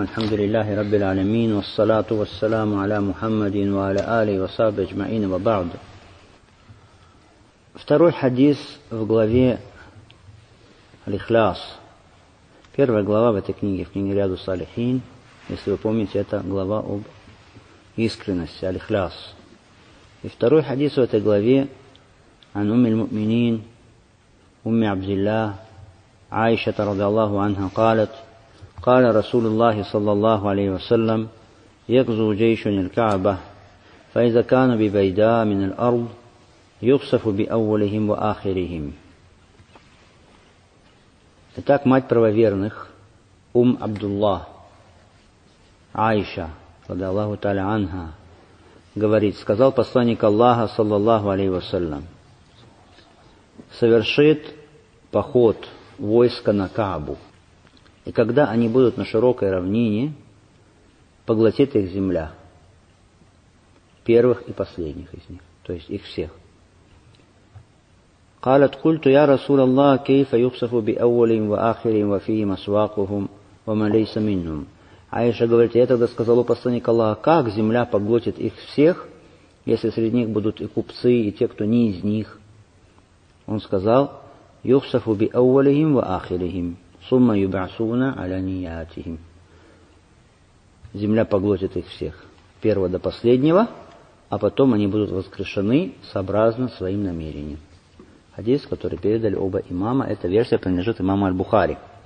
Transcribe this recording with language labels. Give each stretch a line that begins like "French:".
Arabic: الحمد لله رب العالمين، والصلاة والسلام على محمد وعلى آله وصحبه أجمعين، وبعد.
Russian: Второй хадис в главе Аль-Ихлас. Первая глава в этой книге, в книге Риаду Салихин. Если вы помните, это глава об искренности, Аль-Ихлас. И второй хадис в этой главе
Arabic: عن أم المؤمنين أم عبد الله عائشة رضي الله عنها قالت قال رسول الله صلى الله عليه وسلم يغزو جيش الكعبة فإذا كان ببيداء من الأرض يخسف بأولهم وآخرهم.
Russian: Итак, мать правоверных, ум Абдуллах, Айша,
Arabic: رضي الله تعالى عنها,
Russian: говорит, сказал посланник Аллаха,
Arabic: صلى الله عليه وسلم,
Russian: совершит поход войска на Каабу. И когда они будут на широкой равнине, поглотит их земля, первых и последних из них, то есть их всех.
Arabic: قالت قلت يا رسول الله كيف يخسف بأولهم وآخرهم وفيهم أسواقهم وما ليس منهم.
Russian: Аиша говорит, я тогда сказал у посланника Аллаха, как земля поглотит их всех, если среди них будут и купцы, и те, кто не из них. Он сказал,
Arabic: يخسف بأولهم وآخرهم. Сумма юбасуна аляниятихим.
Russian: Земля поглотит их всех, первого до последнего, а потом они будут воскрешены сообразно своим намерениям. Хадис, который передали оба имама, эта версия принадлежит имаму Аль-Бухари.